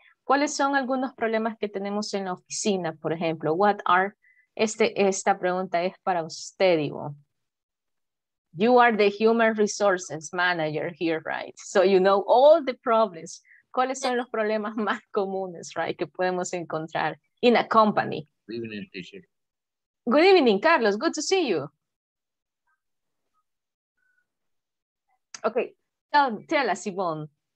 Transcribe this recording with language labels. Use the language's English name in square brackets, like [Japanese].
[Spanish] ¿Cuáles son algunos problemas que tenemos en la oficina, por ejemplo? [English] What are, [Spanish] esta pregunta es para usted, Ivo. [English] You are the human resources manager here, right? So you know all the problems. [Spanish] ¿Cuáles son los problemas más comunes, right, que podemos encontrar [English] in a company? Good evening, teacher. Good evening, Carlos. Good to see you. Okay, tell us, Yvonne.